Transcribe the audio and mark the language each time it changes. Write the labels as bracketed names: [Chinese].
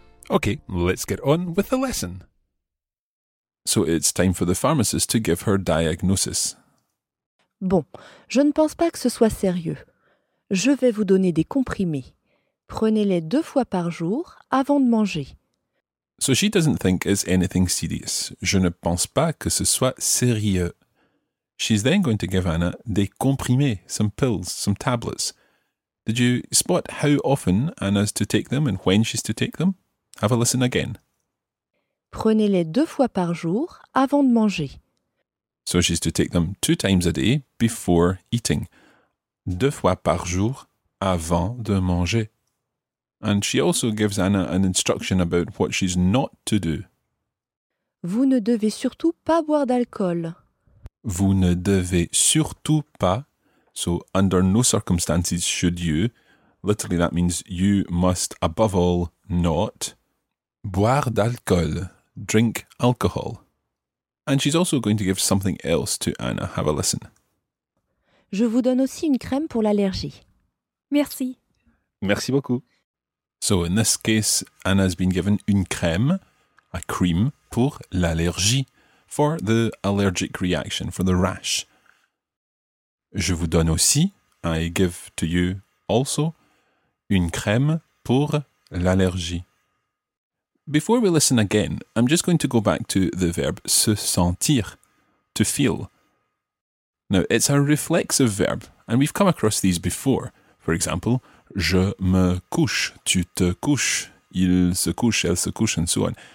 [English] Okay, let's get on with the lesson. So it's time for the pharmacist to give her diagnosis. [French] Bon, je ne pense pas que ce soit sérieux. Je vais vous donner des comprimés. Prenez-les deux fois par jour avant de manger. [English] So she doesn't think it's anything serious. [French] Je ne pense pas que ce soit sérieux. [English] She's then going to give Anna des comprimés, some pills, some tablets. Did you spot how often Anna's to take them and when she's to take them? Have a listen again. [French] Prenez-les deux fois par jour avant de manger. [English] So she's to take them two times a day before eating. [French] Deux fois par jour avant de manger. [English] And she also gives Anna an instruction about what she's not to do. [French] Vous ne devez surtout pas boire d'alcool. Vous ne devez surtout pas. [English] So under no circumstances should you. Literally that means you must above all not. [French] Boire d'alcool, [English] drink alcohol. And she's also going to give something else to Anna. Have a listen. [French] Je vous donne aussi une crème pour l'allergie. Merci. Merci beaucoup. [English] So in this case, Anna's been given une crème, a cream, [French] pour l'allergie, [English] for the allergic reaction, for the rash. [French] Je vous donne aussi, [English] I give to you also, [French] une crème pour l'allergie. [English] Before we listen again, I'm just going to go back to the verb se sentir, to feel. Now, it's a reflexive verb, and we've come across these before. For example, [French] je me couche, tu te couches, il se couche, [English] elle se couche, and so on.